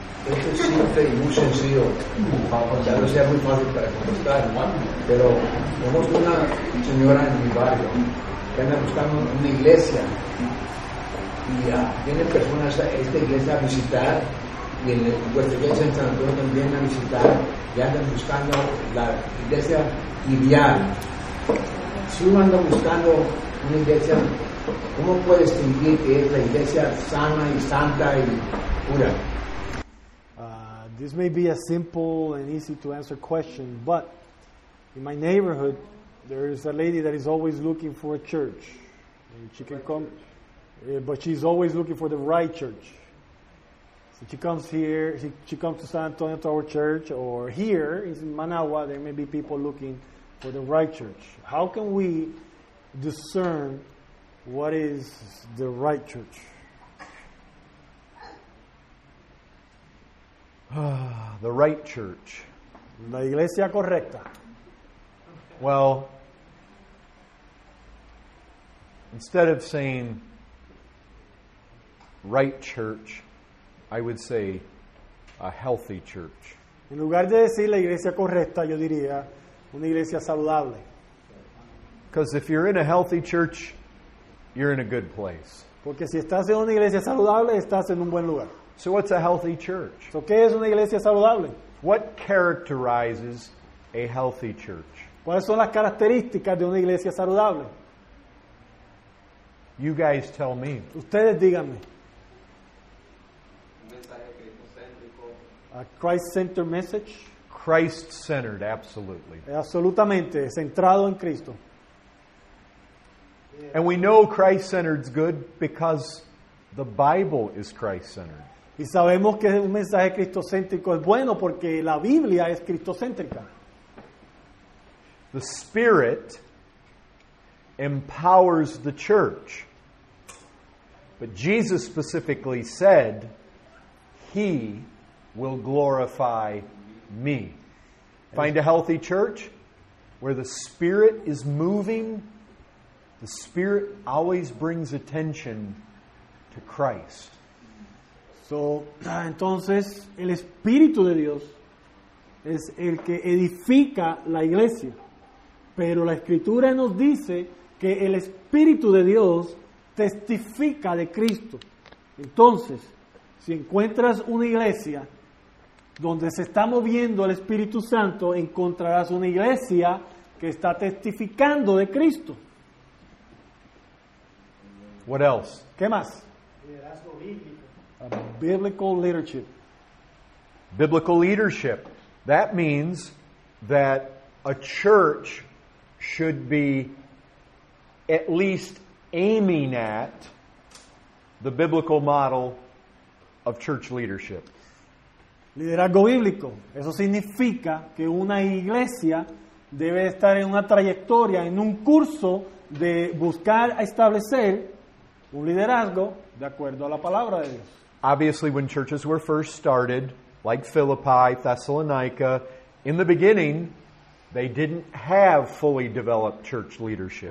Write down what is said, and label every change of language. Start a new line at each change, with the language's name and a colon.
Spanish: existe y muy sencillo, ya no sea muy fácil para contestar, pero conozco una señora en mi barrio que anda buscando una iglesia y viene personas a esta iglesia a visitar, y en el puerto de San Antonio también a visitar, y andan buscando la iglesia ideal. Si uno anda buscando una iglesia, ¿cómo puede distinguir que es la iglesia sana y santa y pura?
English: This may be a simple and easy to answer question, but in my neighborhood, there is a lady that is always looking for a church. And she can come, but she's always looking for the right church. So she comes here, she comes to San Antonio to our church, or here in Managua, there may be people looking for the right church. How can we discern what is the right church? The right church.
Spanish: La iglesia correcta.
English: Well, instead of saying right church, I would say a healthy church.
Spanish: En lugar de decir la iglesia correcta, yo diría una iglesia saludable.
English: Because if you're in a healthy church, you're in a good place.
Spanish: Porque si estás en una iglesia saludable, estás en un buen lugar.
English: So what's a healthy church?
Spanish: So ¿qué es una iglesia saludable?
English: What characterizes a healthy church?
Spanish: ¿Cuáles son las características de una iglesia saludable?
English: You guys tell me.
Spanish: Ustedes díganme.
English: A Christ-centered message? Christ-centered, absolutely.
Spanish: Absolutamente, centrado en Cristo.
English: And we know Christ-centered is good because the Bible is Christ-centered.
Spanish: Y sabemos que un mensaje cristocéntrico es bueno porque la Biblia es cristocéntrica.
English: The Spirit empowers the church. But Jesus specifically said, He will glorify me. Find a healthy church where the Spirit is moving. The Spirit always brings attention to Christ.
Spanish: So, entonces, el Espíritu de Dios es el que edifica la iglesia. Pero la Escritura nos dice que el Espíritu de Dios testifica de Cristo. Entonces, si encuentras una iglesia donde se está moviendo el Espíritu Santo, encontrarás una iglesia que está testificando de Cristo.
English: What else?
Spanish: ¿Qué más? Liderazgo bíblico.
English: A biblical leadership. Biblical leadership. That means that a church should be at least aiming at the biblical model of church leadership.
Spanish: Liderazgo bíblico. Eso significa que una iglesia debe estar en una trayectoria, en un curso de buscar establecer un liderazgo de acuerdo a la palabra de Dios.
English: Obviously, when churches were first started, like Philippi, Thessalonica, in the beginning, they didn't have fully developed church leadership.